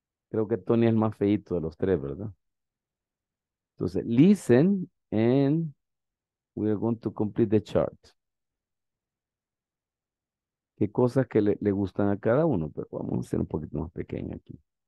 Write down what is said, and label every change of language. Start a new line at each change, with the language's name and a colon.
Spanish: Creo que Tony es el más feíto de los tres, ¿verdad?
English: Entonces, listen and we are going to complete the chart.
Spanish: ¿Qué cosas que le gustan a cada uno? Pero vamos a hacer un poquito más pequeño aquí.